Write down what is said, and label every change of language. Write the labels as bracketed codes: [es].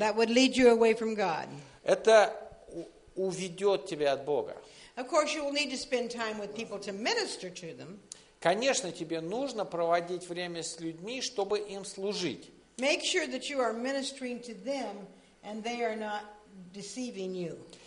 [en] That would lead you away from God. [ru] Это уведет тебя от Бога. [en] Of course, you will need to spend time with people to minister to them. [ru] Конечно, тебе нужно проводить время с людьми, чтобы им служить. [en] Make sure that you are ministering to them and they are not deceiving you.